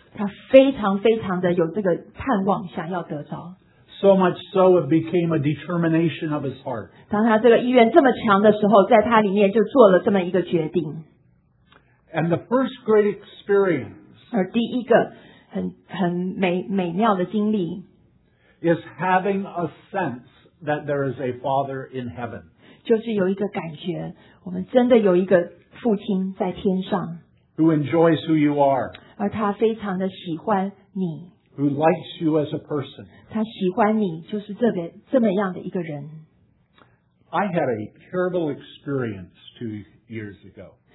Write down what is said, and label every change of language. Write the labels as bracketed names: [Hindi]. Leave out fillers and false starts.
[Chinese] 他非常非常的有这个盼望,想要得着。 [English] So much so it became a determination of his heart. [Chinese] 当他这个意愿这么强的时候,在他里面就做了这么一个决定。 [English] And the first great experience, [Chinese] 而第一个很美妙的经历, [English] is having a sense that there is a Father in heaven. [Chinese] 就是有一个感觉,我们真的有一个父亲在天上, [English] who enjoys who you are, [Chinese] 而他非常的喜欢你, [English] who likes you as a person. [Chinese] 他喜欢你就是这么样的一个人。 [English] I had a terrible experience 2 years ago.